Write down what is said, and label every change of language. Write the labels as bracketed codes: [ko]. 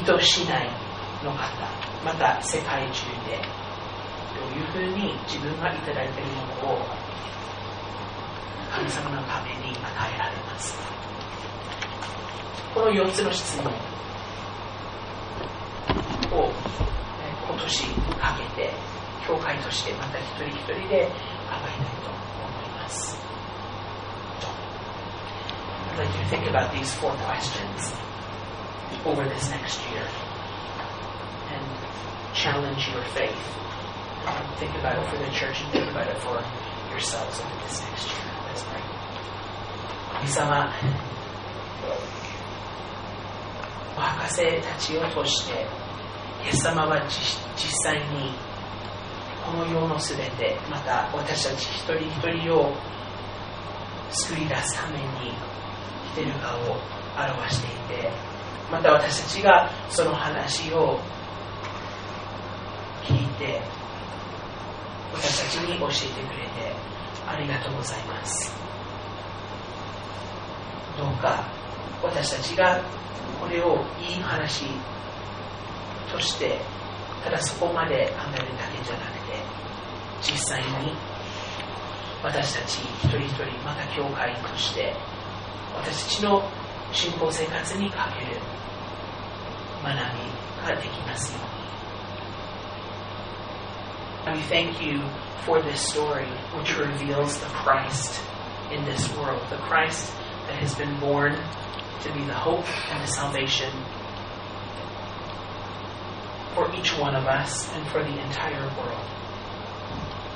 [ja] 水戸市内の方、また世界中でどういうふうに自分がいただいているものを神様のために与えられますか。この4つの質問を今年かけて教会としてまた一人一人で考えたいと思います。 [en] I'd like you to think about these four questions over this next year and challenge your faith. Think about it for the church and think about it for yourselves over this next year. Let's pray. [ja] 神様、お博士たちを通してイエス様は実際にこの世のすべて、また私たち一人一人を救い出すために生きている顔を表していて、また私たちがその話を聞いて私たちに教えてくれてありがとうございます。どうか私たちがこれをいい話として、ただそこまで考えるだけじゃなくて、実際に私たち一人一人、また教会として私たちの信仰生活にかける学びができますように。 [en] We thank you for this story which reveals the Christ in this world, the Christ that has been born to be the hope and the salvationfor each one of us and for the entire world.